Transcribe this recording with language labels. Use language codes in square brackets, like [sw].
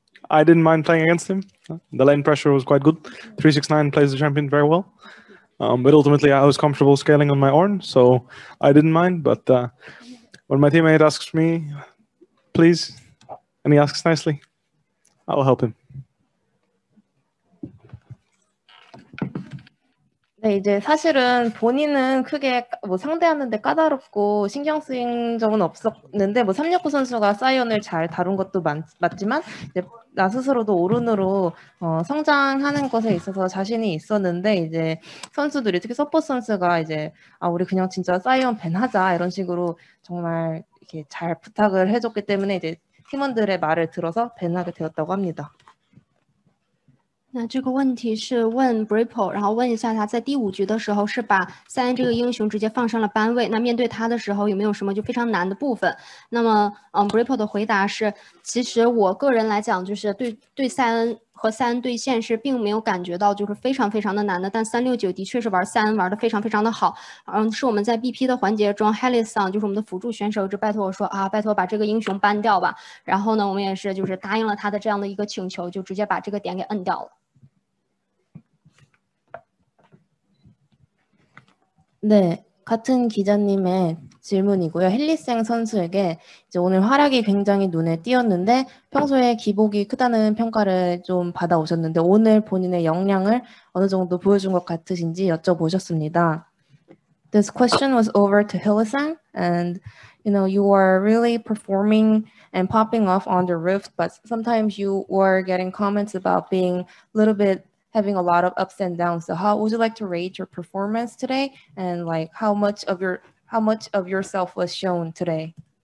[en] I didn't mind playing against him. The lane pressure was quite good. 369 plays the champion very well. But ultimately, I was comfortable scaling on my Ornn, so I didn't mind. But when my teammate asks me, please, and he asks nicely, I will help him. [ko] 네, 이제 사실은 본인은 크게 뭐 상대하는데 까다롭고 신경 쓰인 적은 없었는데 뭐 369 선수가 사이언을 잘 다룬 것도 맞지만 이제 나 스스로도 오른으로 성장하는 것에 있어서 자신이 있었는데 이제 선수들이 특히 서포트 선수가 이제 아 우리 그냥 진짜 사이언 밴하자 이런 식으로 정말 이렇게 잘 부탁을 해줬기 때문에 이제 팀원들의 말을 들어서 밴하게 되었다고 합니다. [zh] 那这个问题是问 Bripple， 然后问一下他在第五局的时候是把塞恩这个英雄直接放上了班位，那面对他的时候有没有什么就非常难的部分？那么，Bripple 的回答是，其实我个人来讲就是对塞恩和塞恩对线是并没有感觉到就是非常非常的难的，但三六九的确是玩塞恩玩的非常非常的好，是我们在 BP 的环节中 Helison 就是我们的辅助选手就拜托我说啊，拜托把这个英雄搬掉吧，然后呢，我们也是就是答应了他的这样的一个请求，就直接把这个点给摁掉了。 [ko] 네, 같은 기자님의 질문이고요. 힐리생 선수에게 이제 오늘 활약이 굉장히 눈에 띄었는데 평소에 기복이 크다는 평가를 좀 받아오셨는데 오늘 본인의 역량을 어느 정도 보여준 것 같으신지 여쭤보셨습니다. [en] This question was over to Hillisang, and you know you were really performing and popping off on the roof, but sometimes you were getting comments about being a little bit having a lot of ups and downs. So how would you like to rate your performance today? And like how much of yourself was shown today?